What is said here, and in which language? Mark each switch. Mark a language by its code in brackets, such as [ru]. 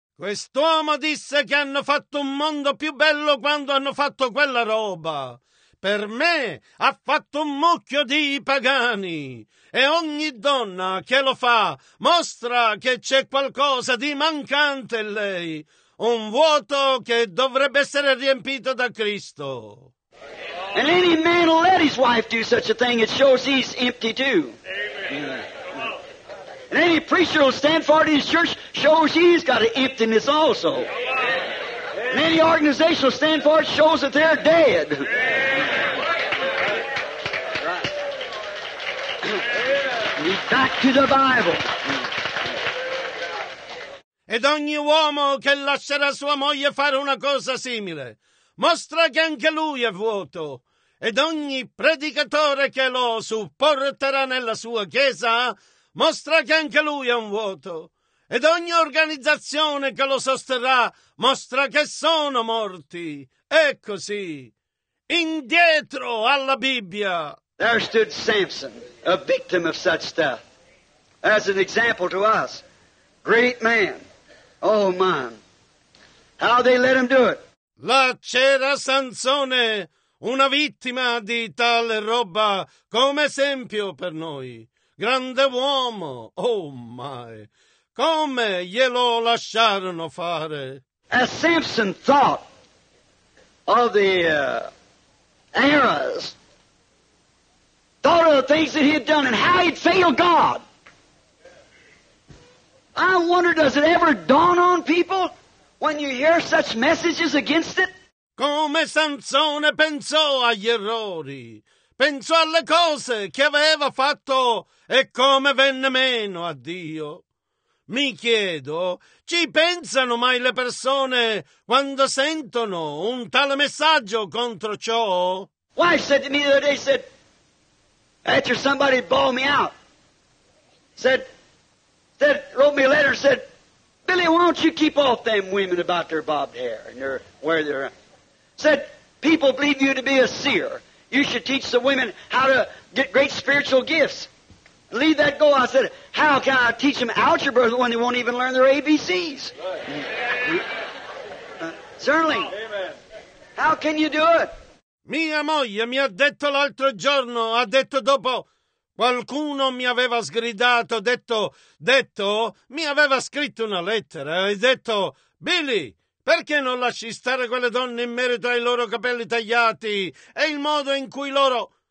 [it] Quest'uomo disse che hanno fatto un mondo più bello quando hanno fatto quella roba. Per me ha fatto un mucchio di pagani. E ogni donna che lo fa mostra che c'è qualcosa di mancante in lei. Un vuoto che dovrebbe essere riempito da Cristo. [en] And any man will let his wife do such a thing, it shows he's empty too. Amen. And any preacher will stand for his church, shows he's got an emptiness also. Amen. And any organization will stand for it, shows that they're dead. Right. He's back to the Bible. [it] Ed ogni uomo che lascerà sua moglie fare una cosa simile mostra che anche lui è vuoto. Ed ogni predicatore che lo supporterà nella sua chiesa mostra che anche lui è un vuoto. Ed ogni organizzazione che lo sosterrà mostra che sono morti. È così. Indietro alla Bibbia. [en] There stood Samson, a victim of such stuff, as an example to us. Great man. Oh man. How they let him do it. [it] Là c'era Sansone, una vittima di tale roba, come esempio per noi. Grande uomo, [en] oh my, [it] come glielo lasciarono fare. [en] As Samson thought of the arrows, thought of the things that he had done and how he'd failed God. I wonder, does it ever dawn on people when you hear such messages against it? [it] come Sansone pensò agli errori, pensò alle cose che aveva fatto e come venne meno a Dio. Mi chiedo, ci pensano mai le persone quando sentono un tale messaggio contro ciò? [en] Wife said to me the other day, said, after somebody bawled me out, said, wrote me a letter, said, Billy, why don't you keep off them women about their bobbed hair and their, where they're at? Said, people believe you to be a seer. You should teach the women how to get great spiritual gifts. Leave that go. I said, how can I teach them algebra when they won't even learn their ABCs? Certainly. Amen. How can you do it? [it] Mia moglie mi ha detto l'altro giorno, ha detto dopo, qualcuno mi aveva sgridato, detto, mi aveva scritto una lettera e detto, Billy, perché non lasci stare quelle donne in merito ai loro capelli tagliati e il modo in cui loro...